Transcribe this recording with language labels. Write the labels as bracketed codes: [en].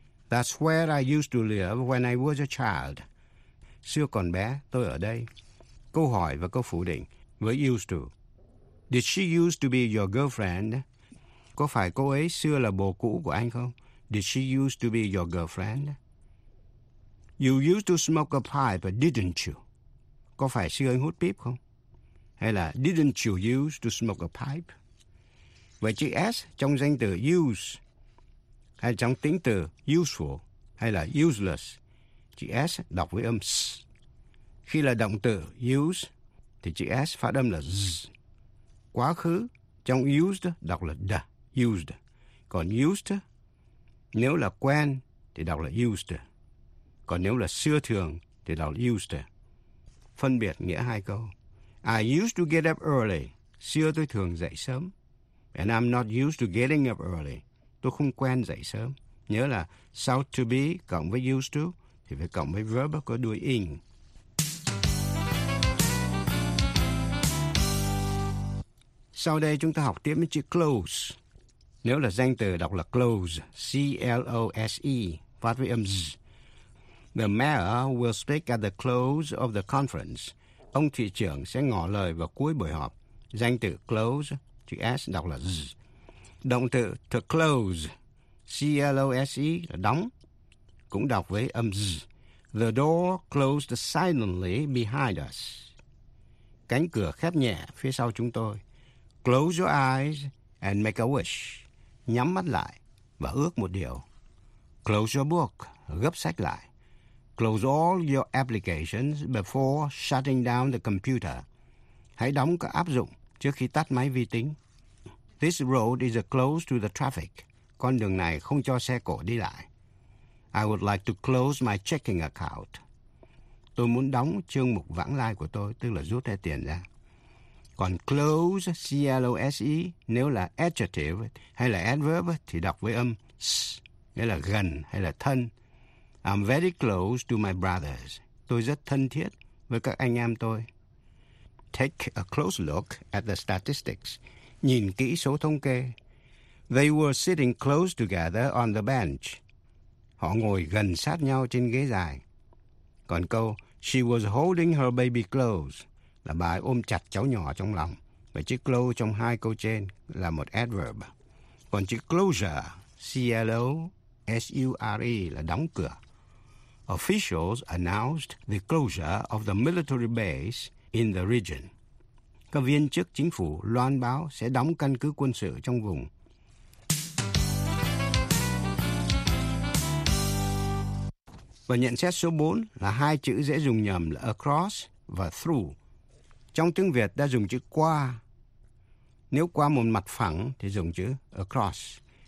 [en] That's where I used to live when I was a child. [vi] Xưa còn bé, tôi ở đây. Câu hỏi và câu phủ định với used to. [en] Did she used to be your girlfriend? [vi] Có phải cô ấy xưa là bồ cũ của anh không? [en] Did she used to be your girlfriend? You used to smoke a pipe, didn't you? [vi] Có phải xưa anh hút pip không? Hay là [en] didn't you used to smoke a pipe? [vi] Vậy chữ S trong danh từ use hay trong tính từ useful hay là useless? Chữ S đọc với âm S. Khi là động từ use thì chữ S phát âm là Z. Quá khứ trong used đọc là the, used. Còn used nếu là quen thì đọc là used. Còn nếu là xưa thường thì đọc là used. Phân biệt nghĩa hai câu. [en] I used to get up early. [vi] Xưa tôi thường dậy sớm. [en] And I'm not used to getting up early. [vi] Tôi không quen dậy sớm. Nhớ là sau to be cộng với used to thì phải cộng với verb có đuôi ing. Sau đây chúng ta học tiếp với chữ close. Nếu là danh từ đọc là close. C-L-O-S-E. Phát với âm Z. [en] The mayor will speak at the close of the conference. [vi] Ông thị trưởng sẽ ngỏ lời vào cuối buổi họp. Danh từ close, chữ S đọc là Z. Động từ to close, C-L-O-S-E là đóng. cũng đọc với âm z. [en] The door closed silently behind us. [vi] Cánh cửa khép nhẹ phía sau chúng tôi. [en] Close your eyes and make a wish. [vi] Nhắm mắt lại và ước một điều. [en] Close your book. [vi] Gấp sách lại. [en] Close all your applications before shutting down the computer. [vi] Hãy đóng các áp dụng trước khi tắt máy vi tính. [en] This road is closed to the traffic. [vi] Con đường này không cho xe cộ đi lại. [en] I would like to close my checking account. [vi] Tôi muốn đóng chương mục vãng lai của tôi, tức là rút hết tiền ra. Còn close, C-L-O-S-E, nếu là adjective hay là adverb thì đọc với âm S, nghĩa là gần hay là thân. [en] I'm very close to my brothers. [vi] Tôi rất thân thiết với các anh em tôi. [en] Take a close look at the statistics. [vi] Nhìn kỹ số thống kê. [en] They were sitting close together on the bench. [vi] Họ ngồi gần sát nhau trên ghế dài. Còn câu [en] she was holding her baby close [vi] là bà ấy ôm chặt cháu nhỏ trong lòng. Vậy chữ close trong hai câu trên là một adverb. Còn chữ closure, C-L-O-S-U-R-E, là đóng cửa. [en] Officials announced the closure of the military base in the region. [vi] Các viên chức chính phủ loan báo sẽ đóng căn cứ quân sự trong vùng. Và nhận xét số 4 là hai chữ dễ dùng nhầm là across và through. Trong tiếng Việt ta dùng chữ qua. Nếu qua một mặt phẳng thì dùng chữ across.